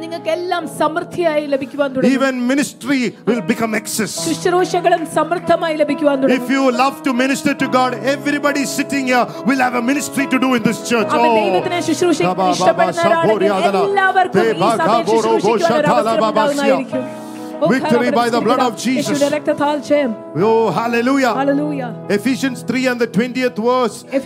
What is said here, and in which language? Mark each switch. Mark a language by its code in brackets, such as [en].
[ml] നിങ്ങൾക്കെല്ലാം സമൃദ്ധിയായി ലഭിക്കുവാൻ തുടങ്ങും. [en] Even ministry will become excess. [ml] ശുശ്രൂഷകളും സമൃദ്ധമായി ലഭിക്കുവാൻ തുടങ്ങും. [en] If you love to minister to God, everybody sitting here will have a ministry to do in this church. [ml] അവിടെ ദൈവത്തിനെ ശുശ്രൂഷിക്കാനുള്ള ഇഷ്ടപ്പെടുന്ന ആളുകളെ എല്ലാവർക്കും [en] victory by the blood of Jesus. Oh, hallelujah. Hallelujah. Ephesians 3 and the 20th verse.